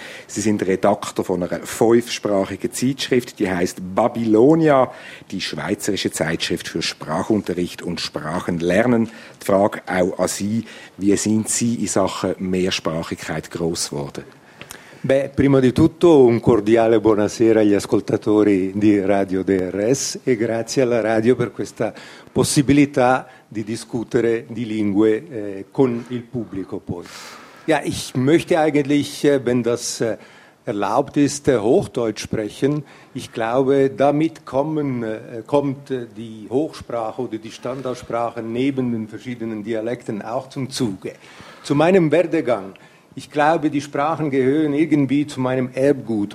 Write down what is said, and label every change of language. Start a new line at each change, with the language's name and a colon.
German: Sie sind Redaktor von einer 5-sprachigen Zeitschrift, die heisst Babylonia, die schweizerische Zeitschrift für Sprachunterricht und Sprachenlernen. Die Frage auch an Sie, wie sind Sie in Sachen Mehrsprachigkeit gross geworden?
Italian: Beh, prima di tutto un cordiale buonasera agli ascoltatori di Radio DRS e grazie alla radio per questa possibilità di discutere di lingue con il pubblico poi.
German: Ja, ich möchte eigentlich, wenn das erlaubt ist, Hochdeutsch sprechen. Ich glaube, damit kommt die Hochsprache oder die Standardsprache neben den verschiedenen Dialekten auch zum Zuge. Zu meinem Werdegang. Ich glaube, die Sprachen gehören irgendwie zu meinem Erbgut.